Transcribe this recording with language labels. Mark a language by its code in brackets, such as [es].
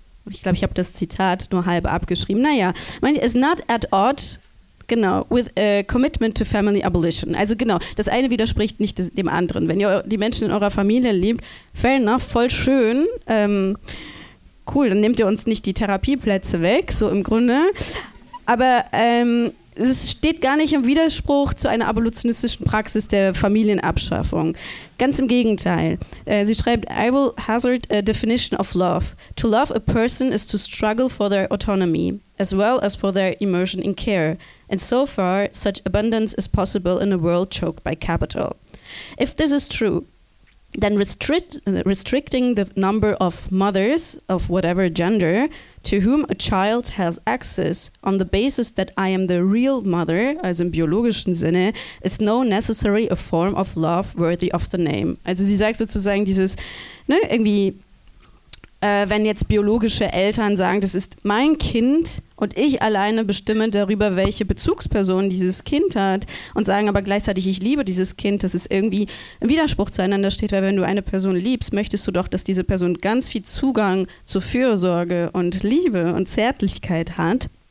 [de] ich glaube, ich habe das Zitat nur halb abgeschrieben. [en] Naja, it's not at odd, genau, with a commitment to family abolition. [de] Also genau, das eine widerspricht nicht dem anderen. Wenn ihr die Menschen in eurer Familie liebt, fair enough, voll schön, cool, dann nehmt ihr uns nicht die Therapieplätze weg, so im Grunde. Aber es steht gar nicht im Widerspruch zu einer abolitionistischen Praxis der Familienabschaffung. Ganz im Gegenteil. Sie schreibt, [en] I will hazard a definition of love. To love a person is to struggle for their autonomy, as well as for their immersion in care. And so far, such abundance is possible in a world choked by capital. If this is true, then restricting the number of mothers of whatever gender to whom a child has access on the basis that I am the real mother, [de] also im biologischen Sinne, [en] is no necessary a form of love worthy of the name. [de] Also sie sagt sozusagen dieses, ne, irgendwie, wenn jetzt biologische Eltern sagen, das ist mein Kind und ich alleine bestimme darüber, welche Bezugsperson dieses Kind hat und sagen aber gleichzeitig, ich liebe dieses Kind, dass es irgendwie im Widerspruch zueinander steht, weil wenn du eine Person liebst, möchtest du doch, dass diese Person ganz viel Zugang zu Fürsorge und Liebe und Zärtlichkeit hat.